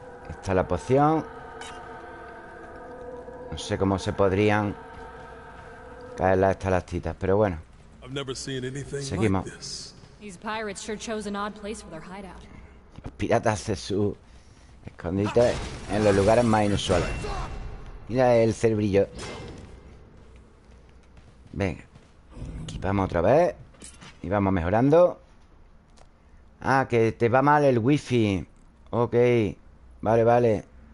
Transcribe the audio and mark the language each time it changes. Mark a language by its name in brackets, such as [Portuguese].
[Spanish] Está la poción. No sé cómo se podrían caer las estalactitas, pero bueno. Seguimos. [English] These pirates sure chose an odd place for their hideout. [Spanish] Los piratas de su escondite en los lugares más inusuales. Mira el cerebrillo. Venga, equipamos otra vez y vamos mejorando. Ah, que te va mal el wifi. Ok, vale, vale.